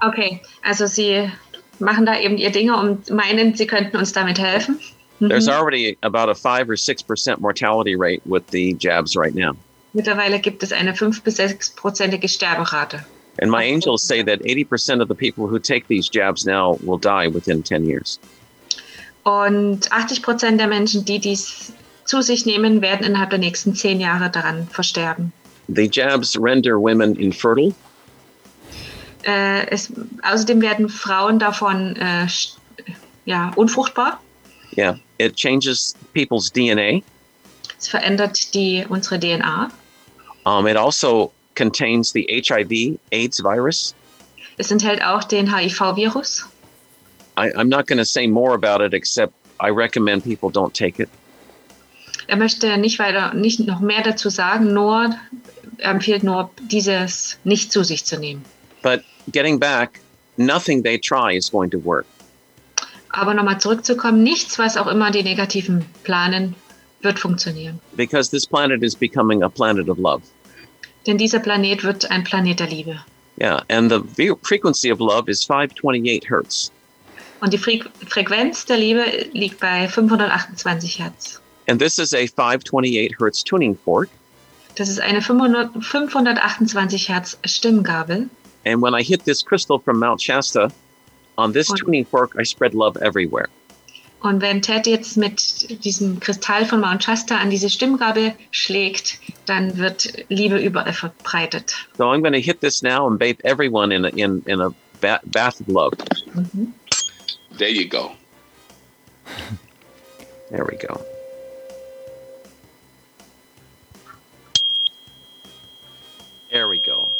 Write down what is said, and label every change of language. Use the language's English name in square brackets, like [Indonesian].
[German] Okay, also sie machen da eben ihr Dinge und meinen, sie könnten uns damit helfen. Mm-hmm. [English] There's already about a 5 or 6% mortality rate with the jabs right now. [German] Mittlerweile gibt es eine 5 bis 6%ige Sterberate. [English] And my angels say that 80% of the people who take these jabs now will die within 10 years. [German] Und 80% der Menschen, die dies zu sich nehmen, werden innerhalb der nächsten 10 Jahre daran versterben. [English] The jabs render women infertile. [German] Außerdem werden Frauen davon unfruchtbar. [English] Yeah, it changes people's DNA. [German] Es verändert unsere DNA. [English] It also contains the HIV AIDS virus. [German] Es enthält auch den HIV-Virus. [English] I'm not going to say more about it, except I recommend people don't take it. [German] Er möchte nicht weiter, nicht noch mehr dazu sagen, nur empfiehlt nur, dieses nicht zu sich zu nehmen. [English] But getting back, nothing they try is going to work. [German] Aber nochmal zurückzukommen, nichts, was auch immer die Negativen planen, wird funktionieren. [English] Because this planet is becoming a planet of love. [German] Denn dieser Planet wird ein Planet der Liebe. [English] Yeah, and the frequency of love is 528 Hertz. [German] Und die Frequenz der Liebe liegt bei 528 Hertz. [English] And this is a 528 Hertz tuning fork. [German] Das ist eine 528 Hertz Stimmgabel. [English] And when I hit this crystal from Mount Shasta, on this tuning fork, I spread love everywhere. [German] Und wenn Ted jetzt mit diesem Kristall von Mount Shasta an diese Stimmgabel schlägt, dann wird Liebe überall verbreitet. [English] So I'm going to hit this now and bathe everyone in a bath of love. Mm-hmm. There you go. There we go. There we go.